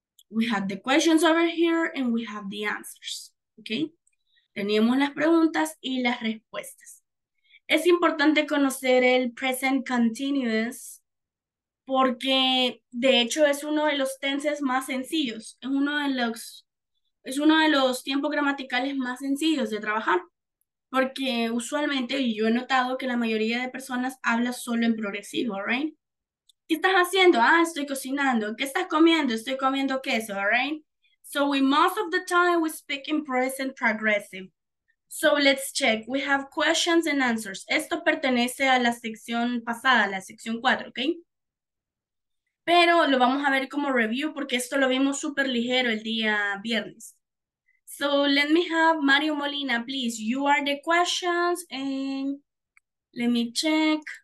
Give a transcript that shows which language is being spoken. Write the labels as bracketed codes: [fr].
[en] We had the questions over here and we have the answers, okay? [es] Teníamos las preguntas y las respuestas. Es importante conocer el present continuous porque de hecho es uno de los tenses más sencillos, es uno de los tiempos gramaticales más sencillos de trabajar, porque usualmente yo he notado que la mayoría de personas habla solo en progresivo, [en] right? [es] ¿Qué estás haciendo? Ah, estoy cocinando. ¿Qué estás comiendo? Estoy comiendo queso, [en] right? So we most of the time we speak in present progressive. So let's check. We have questions and answers. [es] Esto pertenece a la sección pasada, la sección 4, ¿ok? Pero lo vamos a ver como review porque esto lo vimos súper ligero el día viernes. [en] So let me have Mario Molina, please. You are the questions and let me check.